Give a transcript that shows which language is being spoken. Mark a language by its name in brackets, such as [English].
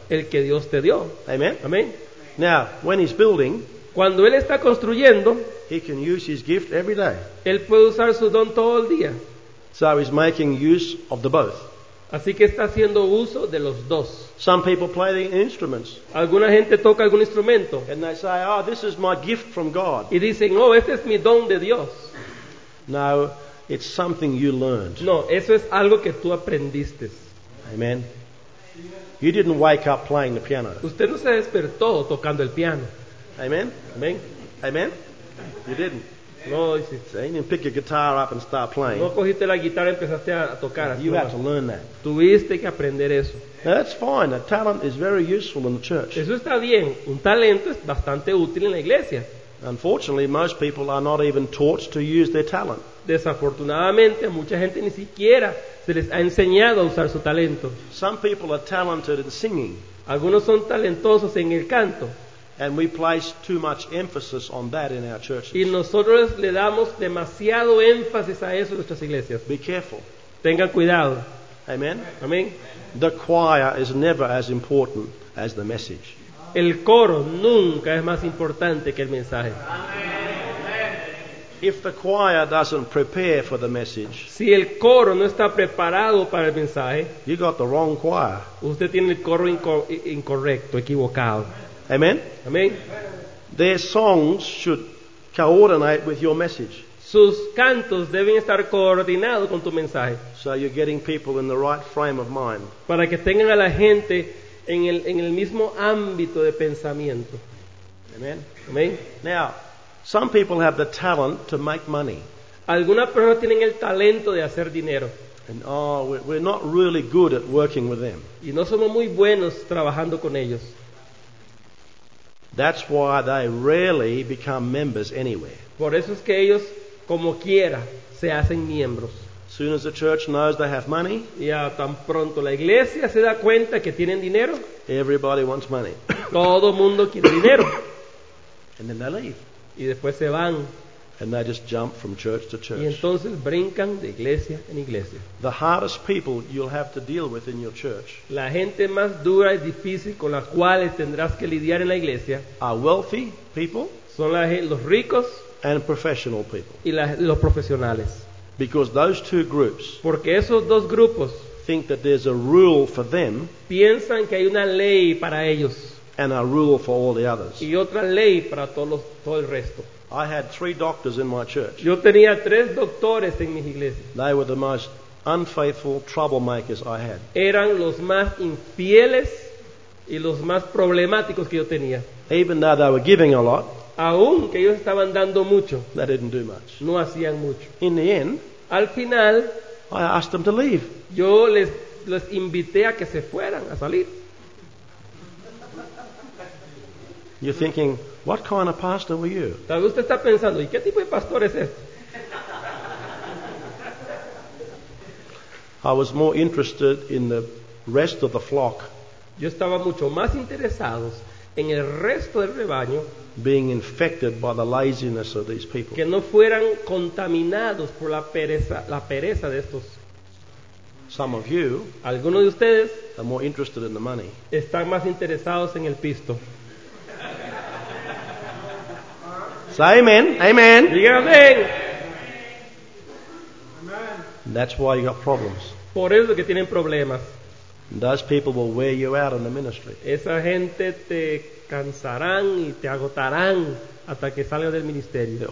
[Spanish] El que Dios te dio. Amen. Amen. [English] Now, when he's building, [Spanish] cuando él está construyendo, [English] he can use his gift every day. [Spanish] Él puede usar su don todo el día. [English] So he's making use of the both. [Spanish] Así que está haciendo uso de los dos. [English] Some people play the instruments. [Spanish] Alguna gente toca algún instrumento. [English] And they say, "Oh, this is my gift from God." [Spanish] Y dicen, "Oh, este es mi don de Dios." [English] No, it's something you learned. [Spanish] No, eso es algo que tú aprendiste. [English] Amen. You didn't wake up playing the piano. [Spanish] Usted no se despertó tocando el piano. [English] Amen. Amen. Amen. You didn't. [Spanish] No, hiciste. [English] You didn't pick your guitar up and start playing. [Spanish] No cogiste la guitarra y empezaste a tocar. [English] You had to learn that. [Spanish] Tuviste que aprender eso. [English] Now that's fine. A talent is very useful in the church. [Spanish] Eso está bien. Un talento es bastante útil en la iglesia. [English] Unfortunately, most people are not even taught to use their talent. [Spanish] Desafortunadamente, a mucha gente ni siquiera se les ha enseñado a usar su talento. [English] Some people are talented in singing. [Spanish] Algunos son talentosos en el canto. [English] And we place too much emphasis on that in our churches. [Spanish] Y nosotros le damos demasiado énfasis a eso en nuestras iglesias. [English] Be careful. [Spanish] Tengan cuidado. Amen. Amen. [English] The choir is never as important as the message. [Spanish] El coro nunca es más importante que el mensaje. [English] If the choir doesn't prepare for the message, [Spanish] si el coro no está preparado para el mensaje, [English] you got the wrong choir. [Spanish] Usted tiene el coro incorrecto, equivocado. Amen. Amen. [English] Their songs should coordinate with your message. [Spanish] Sus cantos deben estar coordinados con tu mensaje. [English] So you're getting people in the right frame of mind. [Spanish] Para que tengan a la gente en el mismo ámbito de pensamiento. Amen. Amen. [English] Now, some people have the talent to make money. [Spanish] Algunas personas tienen el talento de hacer dinero. [English] And we're not really good at working with them. [Spanish] Y no somos muy buenos trabajando con ellos. [English] That's why they rarely become members anywhere. [Spanish] Por eso es que ellos, como quiera, se hacen miembros. [English] Soon as the church knows they have money, [Spanish] ya tan pronto la iglesia se da cuenta que tienen dinero, [English] everybody wants money. [Spanish] Todo mundo quiere dinero. [English] And then they leave. [Spanish] Y después se van. [English] And they just jump from church to church. [Spanish] Y entonces brincan de iglesia en iglesia. [English] The hardest people you'll have to deal with in your church. [Spanish] La gente más dura y difícil con la cual tendrás que lidiar en la iglesia. [English] Are wealthy people. [Spanish] Son los ricos. [English] And professional people. [Spanish] Y los profesionales. [English] Because those two groups. [Spanish] Porque esos dos grupos. [English] Think that there's a rule for them. [Spanish] Piensan que hay una ley para ellos. [English] And a rule for all the others. [Spanish] Y otra ley para todo el resto. [English] I had three doctors in my church. [Spanish] Yo tenía tres doctores en mi iglesia. [English] They were the most unfaithful troublemakers I had. [Spanish] Eran los más infieles y los más problemáticos que yo tenía. [English] Even though they were giving a lot, [Spanish] aún que ellos estaban dando mucho, [English] they didn't do much. [Spanish] No hacían mucho. [English] In the end, [Spanish] al final, [English] I asked them to leave. [Spanish] Yo les invité a que se fueran, a salir. [English] You're thinking, what kind of pastor were you? [Spanish] Tal vez usted está pensando, ¿y qué tipo de pastor es este? [English] I was more interested in the rest of the flock. [Spanish] Yo estaba mucho más interesado en el resto del rebaño. [English] Being infected by the laziness of these people. [Spanish] Que no fueran contaminados por la pereza de estos. [English] Some of you. [Spanish] Algunos de ustedes. [English] Are more interested in the money. [Spanish] Están más interesados en el pisto. [English] Say amen. Amen. [Spanish] Diga amén. [English] That's why you got problems. [Spanish] Por eso que tienen problemas. [English] Those people will wear you out in the ministry. [Spanish] Esa gente te cansarán y te agotarán hasta que salgas del ministerio.